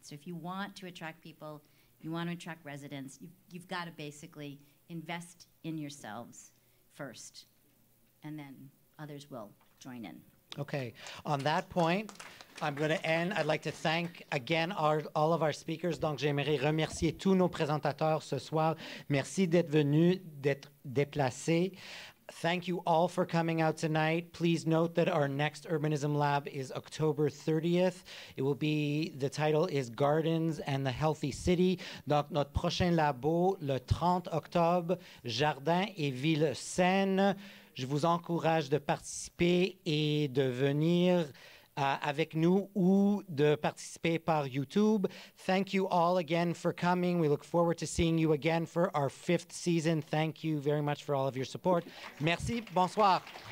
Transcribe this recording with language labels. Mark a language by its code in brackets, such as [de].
[en] So if you want to attract people, you want to attract residents, you've got to basically invest in yourselves first, and then others will join in. Okay. On that point, I'm going to end. I'd like to thank again all of our speakers. [fr] Donc, j'aimerais remercier tous nos présentateurs ce soir. Merci d'être venus, d'être déplacés. [en] Thank you all for coming out tonight. Please note that our next Urbanism Lab is October 30th. It will be, the title is Gardens and the Healthy City. [fr] Donc, notre prochain labo, le 30 octobre, Jardins et Villes Saines. Je vous encourage de participer et de venir avec nous ou de participer par YouTube. [en] Thank you all again for coming. We look forward to seeing you again for our fifth season. Thank you very much for all of your support. [fr] Merci. Bonsoir.